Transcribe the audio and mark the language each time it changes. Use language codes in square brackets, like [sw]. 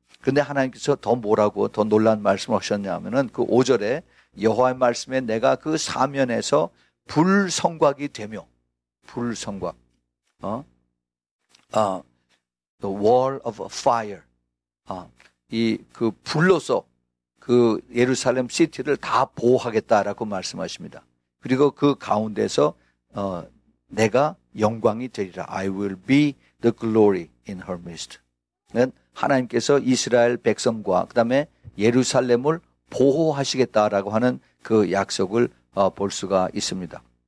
[ko] 근데 하나님께서 더 뭐라고 더 놀란 말씀을 하셨냐 하면은 그 5절에 여호와의 말씀에 내가 그 사면에서 불성곽이 되며 불성곽 [en] the wall of fire [ko] 이 그 불로서 그 예루살렘 시티를 다 보호하겠다라고 말씀하십니다. 그리고 그 가운데서 내가 영광이 되리라. [en] I will be the glory in her midst. [ko] 하나님께서 이스라엘 백성과 그 다음에 예루살렘을 보호하시겠다라고 하는 그 약속을 볼 수가 있습니다.